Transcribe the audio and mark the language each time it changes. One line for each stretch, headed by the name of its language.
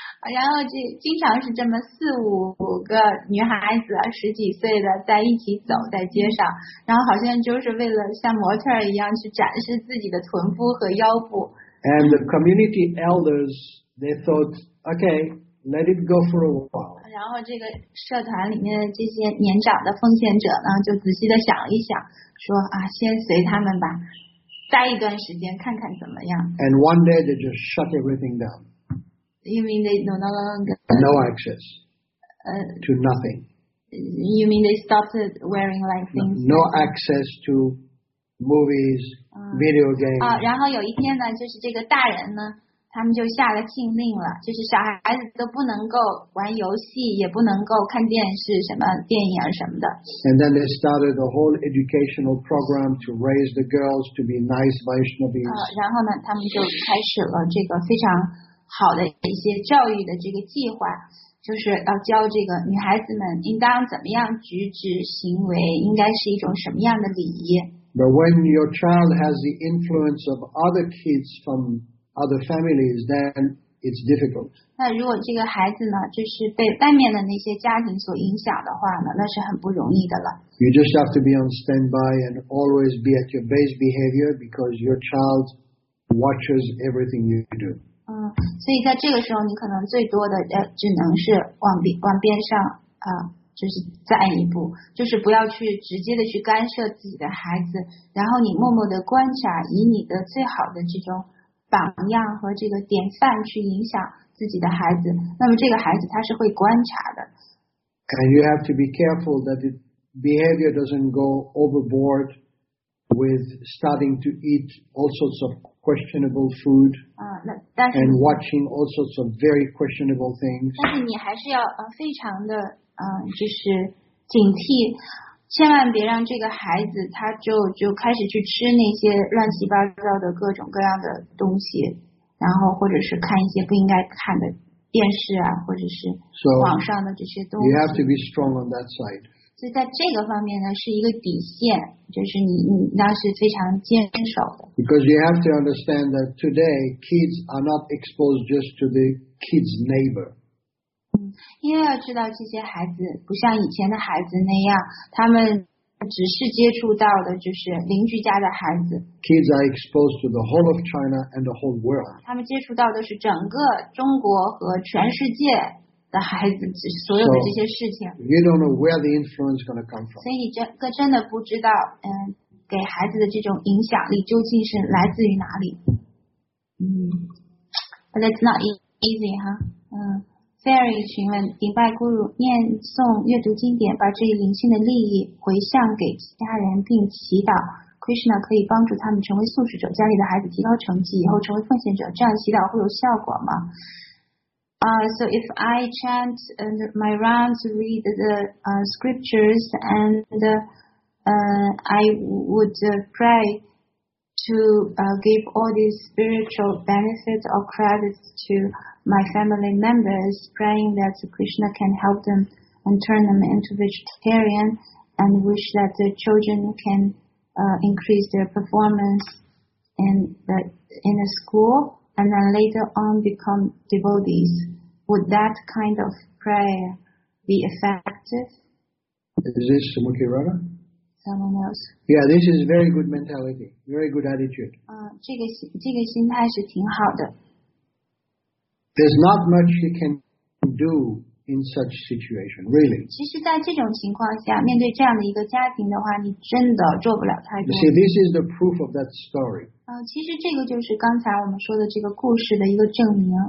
Chinese: 然后就经常是这么四五个女孩子十几岁的在一起走在街上，然后好像就是为了像模特一样去展示自己的臀部和腰部。
English: And the community elders, they thought, okay, let it go for a while.
Chinese: 然后这个社团里面的这些年长的奉献者呢，就仔细的想一想，说啊，先随他们吧，待一段时间看看怎么样。
English: And one day they just shut everything down. You mean they no longer? No access. To nothing. You mean they stopped wearing like things? No access to. Movies, video games.
Chinese: 然后有一天呢，就是这个大人呢，他们就下了禁令了，就是小孩子都不能够玩游戏，也不能够看电视什么电影什么的。
English: And then they started a whole educational program to raise the girls to be nice Vaishnavis.
Chinese: 然后呢，他们就开始了这个非常好的一些教育的这个计划。就是要教这个女孩子们应当怎么样举止行为，应该是一种什么样的礼仪。
English: But when your child has the influence of other kids from other families, then it's difficult.
Chinese: 那如果这个孩子呢，就是被外面的那些家庭所影响的话呢，那是很不容易的了。
English: You just have to be on standby and always be at your best behavior because your child watches everything you do.
Chinese: 所以在这个时候你可能最多的只能是往边上就是站一步，就是不要去直接的去干涉自己的孩子，然后你默默的观察，以你的最好的这种榜样和这个典范去影响自己的孩子，那么这个孩子他是会观察的。
English: And you have to be careful that the behavior doesn't go overboard with starting to eat all sorts of questionable food and watching all sorts of very questionable things.
Chinese: 但是你还是要非常的就是警惕，千万别让这个孩子他就开始去吃那些乱七八糟的各种各样的东西，然后或者是看一些不应该看的电视啊，或者是网上的这些东西。
English: So, you have to be strong on that side.
Chinese: 所以在这个方面呢，是一个底线，就是你那是非常坚守的。
English: Because you have to understand that today kids are not exposed just to the kid's neighbor.
Chinese: 因为要知道这些孩子不像以前的孩子那样，他们只是接触到的就是邻居家的孩子。
English: Kids are exposed to the whole of China and the whole world.
Chinese: 他们接触到的是整个中国和全世界的孩子所有的这些事情。
English: So, you don't know where the influence is going to come from.
Chinese: 所以你真的不知道，给孩子的这种影响力究竟是来自于哪里。
English: But that's not easy, huh?
Chinese: Fairy 询问迪拜咕噜念诵阅读经典，把这一灵性的利益回向给其他人，并祈祷 Krishna 可以帮助他们成为素食者，家里的孩子提高成绩，以后成为奉献者。这样祈祷会有效果吗？
English: So if I chant my rounds, read the scriptures, and I would pray to give all these spiritual benefits or credits to. My family members, praying that Krishna can help them and turn them into vegetarian, and wish that the children can increase their performance in the school, and then later on become devotees. Would that kind of prayer be effective? Is this Sumukhi Rana? Someone else. Yeah, this is very good mentality, very good attitude.
Chinese: 这个心态是挺好的。
English: There's not much you can do in such situation, really.
Chinese: 其实在这种情况下，面对这样的一个家庭的话，你真的做不了太多。
English: You see, this is the proof of that story.
Chinese: 其实这个就是刚才我们说的这个故事的一个证明。